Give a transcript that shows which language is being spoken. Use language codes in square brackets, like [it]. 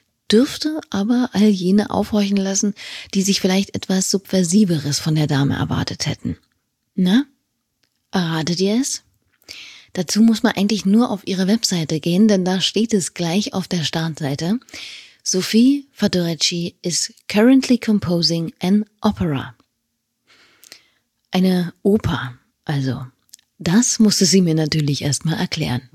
[de] Dürfte aber all jene aufhorchen lassen, die sich vielleicht etwas Subversiveres von der Dame erwartet hätten. Na, erratet ihr es? Dazu muss man eigentlich nur auf ihre Webseite gehen, denn da steht es gleich auf der Startseite. [en] Sophie Fadorecci is currently composing an opera. [de] Eine Oper, also. Das musste sie mir natürlich erstmal erklären.